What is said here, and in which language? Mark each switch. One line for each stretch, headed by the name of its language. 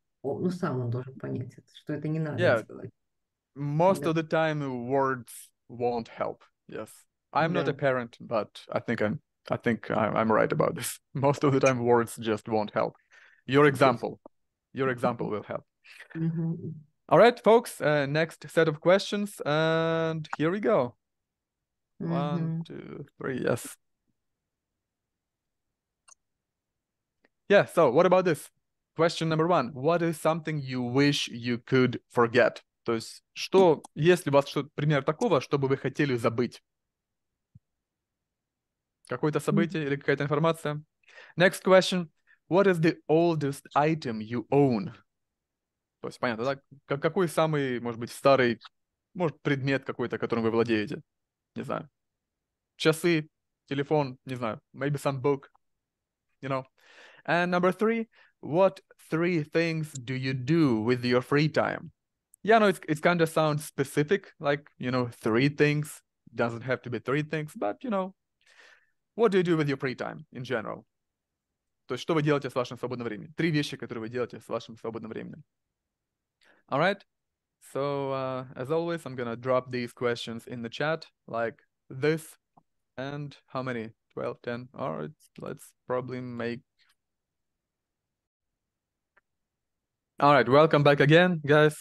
Russian: Ну, сам он должен понять, что это не надо делать.
English: Most of the time words won't help. Yes. I'm not a parent, but I think I'm right about this. Most of the time words just won't help. Your example will help. Mm-hmm. All right, folks, next set of questions, and here we go. Mm-hmm. 1, 2, 3, yes. Yeah, so what about this? Question number one. What is something you wish you could forget?
Russian: То есть, что, есть ли у вас что, пример такого, чтобы вы хотели забыть? Какое-то событие или какая-то информация?
English: Next question. What is the oldest item you own?
Russian: То есть, понятно, да? Какой самый, может быть, старый, может, предмет какой-то, которым вы владеете? Не знаю. Часы, телефон, не знаю.
English: Maybe some book. You know. And number three. What three things do you do with your free time? Yeah, no, it's kind of sounds specific, like, you know, three things. Doesn't have to be three things, but, you know, what do you do with your free time in general?
Russian: То есть, что вы делаете с вашим свободным временем? Три вещи, которые вы делаете с вашим свободным временем.
English: All right. So, as always, I'm going to drop these questions in the chat, like this. And how many? 12, 10? All right, let's probably make... All right, welcome back again, guys.